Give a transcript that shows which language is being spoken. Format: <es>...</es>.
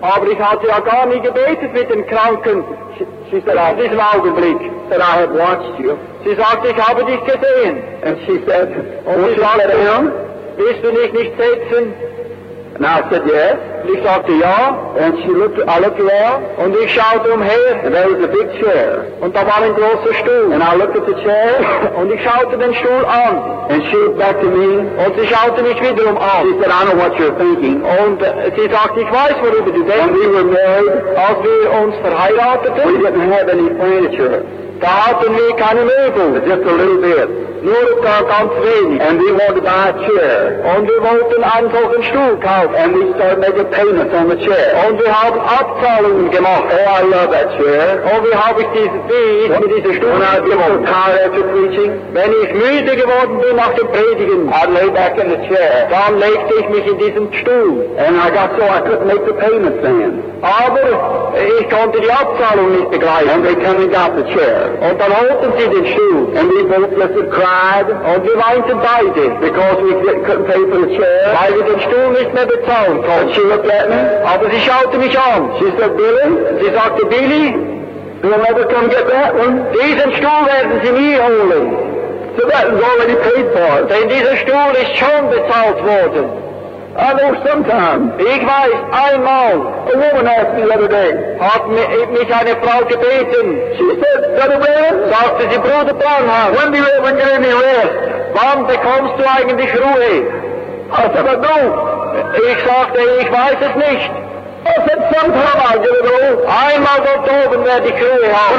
<de>Aber ich hatte ja gar nie gebetet mit den Kranken.</de> <en>She said, I have watched you.</en> <de>Sie sagte, ich habe dich gesehen.</de> <en>And she said, won't you let him?</en> <de>Willst du dich nicht setzen?</de> <en>And I said, yes.</en> <de>Und ich sagte, ja.</de> <en>And she looked, I looked around.</en> <de>Und ich schaute umher.</de> <en>And there was a big chair.</en> <de>Und da war ein großer Stuhl.</de> <en>And I looked at the chair.</en> <de>Und ich schaute den Stuhl an.</de> <en>And she looked back to me.</en> <de>Und sie schaute mich wiederum an.</de> <en>She said, I know what you're thinking.</en> <de>Und sie sagte, ich weiß, worüber du denkst.</de> <en>When we were married,</en> <de>als wir uns verheirateten,</de> <en>we didn't have any furniture.</en> <de>Da hatten wir keine Möbel.</de> <en>Just a little bit.</en> <de>Nur ganz wenig.</de> <en>And we wanted to buy a chair.</en> <de>Und wir wollten einen solchen Stuhl kaufen.</de> <en>And we started making payments on the chair.</en> <de>Und wir haben Abzahlungen gemacht.</de> <en>Oh, I love that chair.</en> <de>Und wie habe ich diesen Stuhl?</de> <en>When I was tired after preaching.</en> <de>Wenn ich müde geworden bin nach dem Predigen.</de> <en>I lay back in the chair.</en> <de>Dann legte ich mich in diesen Stuhl.</de> <en>And I got so I couldn't make the payments then.</en> <de>Aber ich konnte die Abzahlung nicht begleichen.</de> <en>And they came and got the chair.</en> <de>Und dann holten sie den Stuhl.</de> <en>And we both listened, cried.</en> <de>Und wir weinten beide.</de> <en>Because we couldn't pay for the chair.</en> <de>Weil wir den Stuhl nicht mehr bezahlen konnten.</de> <en>And she looked at me.</en> <de>Aber sie schaute mich an.</de> <en>She said, Billy.</en> <de>Sie sagte, Billy.</de> <en>You'll never come get that one.</en> <de>Diesen Stuhl werden sie nie holen.</de> <en>So that was already paid for.</en> <de>Denn dieser Stuhl ist schon bezahlt worden.</de> <en>I know sometimes.</en> <de>Ich weiß, einmal.</de> <en>A woman asked me the other day.</en> <de>Hat mich eine Frau gebeten.</de> <en>She said, Brother Brown.</en> <de>Sagte sie, Bruder Brownhouse.</de> <en>When do you ever get any rest?</en> <de>Wann bekommst du eigentlich Ruhe?</de> <en>I said, I don't.</en> <de>Ich sagte, ich weiß es nicht.</de> <en>I said, sometime I'll get it all.</en> <de>Einmal dort oben werde ich Ruhe haben.</de>